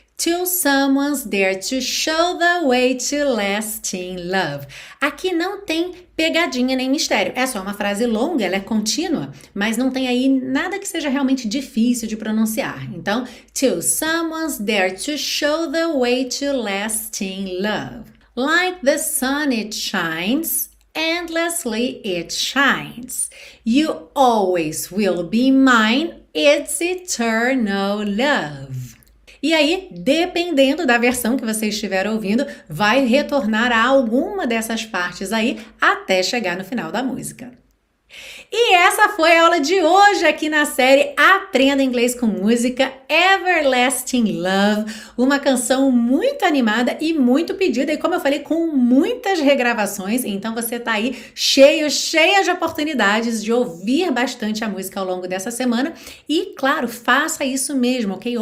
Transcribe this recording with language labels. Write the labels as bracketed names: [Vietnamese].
[English] Till someone's there to show the way to lasting love. [Portuguese] Aqui não tem pegadinha nem mistério. É só uma frase longa, ela é contínua, mas não tem aí nada que seja realmente difícil de pronunciar. [English] Então, till someone's there to show the way to lasting love. Like the sun it shines, endlessly it shines. You always will be mine, it's eternal love. [Portuguese] E aí, dependendo da versão que você estiver ouvindo, vai retornar a alguma dessas partes aí até chegar no final da música. E essa foi a aula de hoje aqui na série Aprenda Inglês com Música, Everlasting Love, uma canção muito animada e muito pedida, e como eu falei, com muitas regravações, então você tá aí cheio, cheia de oportunidades de ouvir bastante a música ao longo dessa semana, e claro, faça isso mesmo, ok?